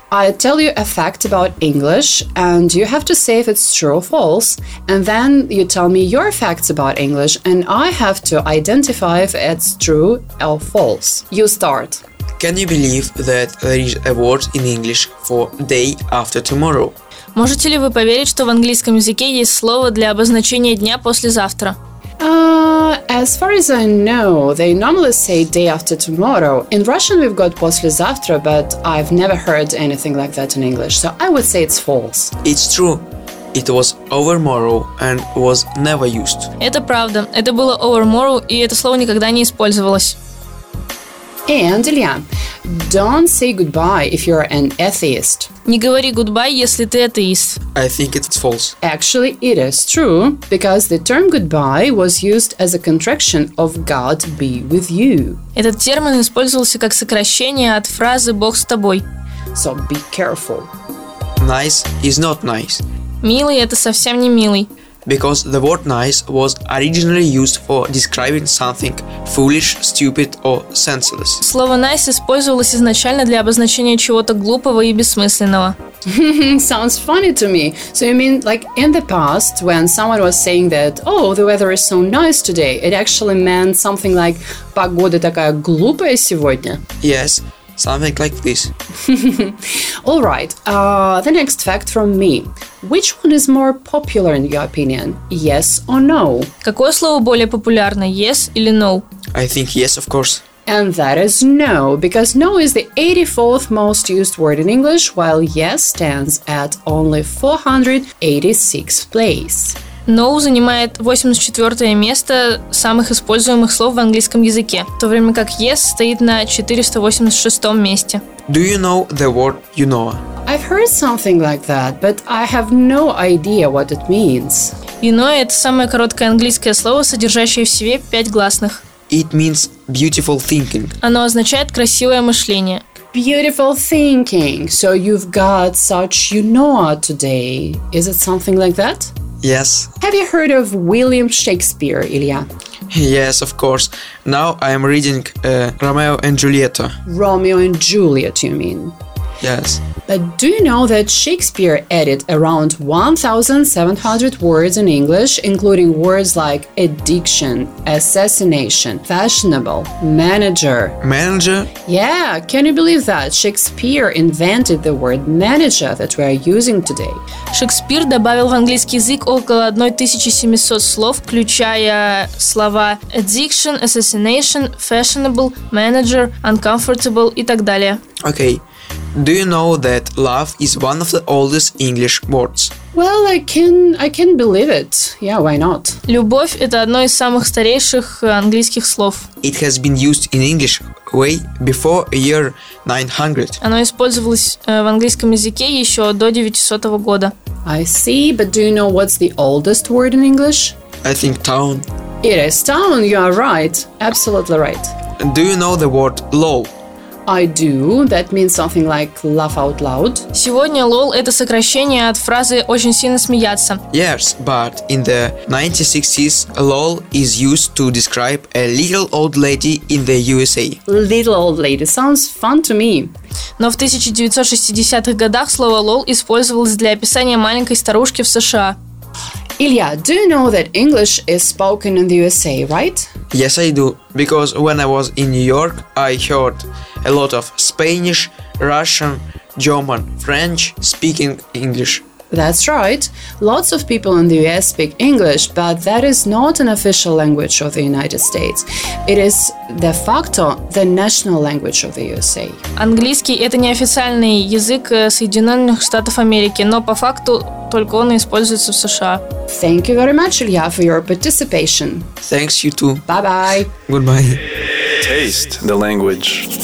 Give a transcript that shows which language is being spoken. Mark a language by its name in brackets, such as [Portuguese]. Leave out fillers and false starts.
[English] I tell you a fact about English, and you have to say if it's true or false. And then you tell me your facts about English, and I have to identify if it's true or false. You start. Can you believe that there is a word in English for day after tomorrow? [Russian] Можете ли вы поверить, что в английском языке есть слово для обозначения дня послезавтра? [English] As far as I know, they normally say day after tomorrow. In Russian we've got послезавтра, but I've never heard anything like that in English, so I would say it's false. It's true. It was overmorrow and was never used. [Russian] Это правда. Это было overmorrow, и это слово никогда не использовалось. [English] And Илья, don't say goodbye if you're an atheist. [Russian] Не говори goodbye, если ты атеист. [English] I think it's false. Actually, it is true, because the term goodbye was used as a contraction of God be with you. [Russian] Этот термин использовался как сокращение от фразы «Бог с тобой». [English] So be careful. Nice is not nice. [Russian] Милый – это совсем не милый. [English] Because the word nice was originally used for describing something foolish, stupid or senseless. [Russian] Слово nice использовалось изначально для обозначения чего-то глупого и бессмысленного. [English] Sounds funny to me. So you mean, like, in the past, when someone was saying that, oh, the weather is so nice today, it actually meant something like, [Russian] погода такая глупая сегодня? [English] Yes. Something like this. All right, the next fact from me. Which one is more popular in your opinion? Yes or no? [Russian] Какое слово более популярно, yes или no? [English] I think yes, of course. And that is no, because no is the 84th most used word in English, while yes stands at only 486th place. [Russian] No занимает 84-е место самых используемых слов в английском языке, в то время как yes стоит на 486-м месте. [English] Do you know the word you know? I've heard something like that, but I have no idea what it means. [Russian] You know – это самое короткое английское слово, содержащее в себе 5 гласных. [English] It means beautiful thinking. [Russian] Оно означает красивое мышление. [English] Beautiful thinking. So you've got such you know today. Is it something like that? Yes. Have you heard of William Shakespeare, Илья? Yes, of course. Now I am reading Romeo and Juliet. Romeo and Juliet, you mean? Yes. But do you know that Shakespeare added around 1,700 words in English, including words like addiction, assassination, fashionable, manager. Manager? Yeah, can you believe that? Shakespeare invented the word manager that we are using today. [Russian] Шекспир добавил в английский язык около 1700 слов, включая слова addiction, assassination, fashionable, manager, uncomfortable и так далее. [English] Okay. Do you know that love is one of the oldest English words? Well, I can believe it. Yeah, why not? [Russian] Любовь – это одно из самых старейших английских слов. [English] It has been used in English way before year 900. [Russian] Оно использовалось в английском языке еще до 900 года. [English] I see, but do you know what's the oldest word in English? I think town. It is town, you are right. Absolutely right. Do you know the word lol? I do. That means something like laugh out loud. [Russian] Сегодня LOL – это сокращение от фразы «очень сильно смеяться». [English] Yes, but in the 1960s, LOL is used to describe a little old lady in the USA. Little old lady. Sounds fun to me. [Russian] Но в 1960-х годах слово LOL использовалось для описания маленькой старушки в США. [English] Ilya, do you know that English is spoken in the USA, right? Yes, I do. Because when I was in New York, I heard a lot of Spanish, Russian, German, French speaking English. That's right. Lots of people in the US speak English, but that is not an official language of the United States. It is de facto the national language of the USA. [Russian] Английский – это неофициальный язык Соединенных Штатов Америки, но по факту только он используется в США. [English] Thank you very much, Илья, for your participation. Thanks, you too. Bye-bye. Goodbye. Taste the language.